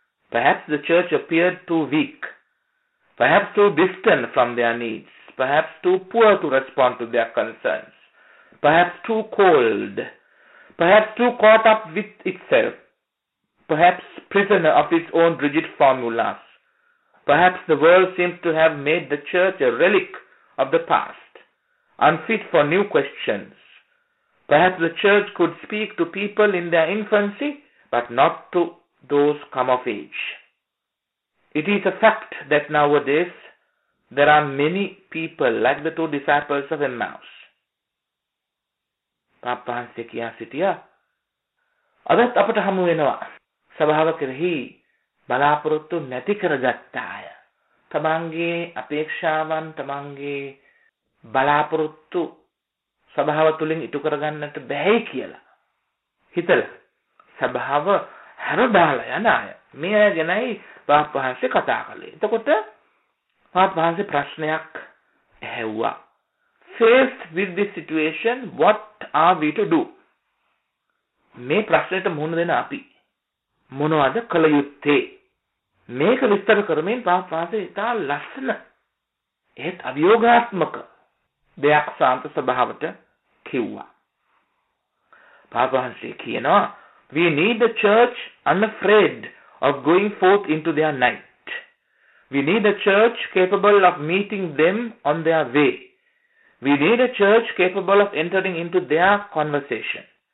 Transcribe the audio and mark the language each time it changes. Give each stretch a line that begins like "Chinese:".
English: Perhaps the church appeared too weak, perhaps too distant from their needs, perhaps too poor to respond to their concerns, perhaps too cold, perhaps too caught up with itself, perhaps prisoner of its own rigid formulas, perhaps the world seems to have made the church a relic of the past, unfit for new questions. Perhaps the church could speak to people in their infancy, but not to those come of age. It is a fact that nowadays there are many people like the two disciples of Emmaus.
Sinhala: පාප් වහන්සේ කියා සිටියා, අදත් අපට හමු වෙනවා සභාව කෙරෙහි බලාපොරොත්තු නැති කරගත්ත අය. තමන්ගේ අපේක්ෂාවන්, තමන්ගේ බලාපොරොත්තු සභාව තුළින් ඉටු කරගන්නට බැහැයි කියලා හිතල සභාව හැරදාලා යන අය. මේ අය ගැනයි පාප් වහන්සේ කතා කළේ. එතකොට පාප් වහන්සේ ප්‍රශ්නයක් ඇහැව්වා.
English: Faced with this situation, what are we to do?
Sinhala: මේ ප්‍රශ්නෙට මුහුණ දෙන අපි මොනවද කළ යුත්තේ? මේක විස්තර කරමින් පාප් වහන්සේ ඉතා ලස්සන, ඒත් අභියෝගාත්මක දෙයක් ශාන්ත ස්වභාවට කිව්වා. පාප් වහන්සේ කියනවා,
English: We need the church unafraid of going forth into their night. We need a church capable of meeting them on their way. We need a church capable of entering into their conversation.